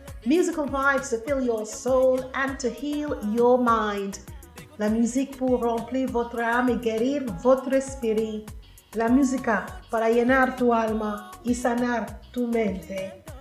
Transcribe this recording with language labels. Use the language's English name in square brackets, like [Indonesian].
[English] Musical vibes to fill your soul and to heal your mind. [French] La musique pour remplir votre âme et guérir votre esprit. [Spanish] La musica para llenar tu alma y sanar tu mente.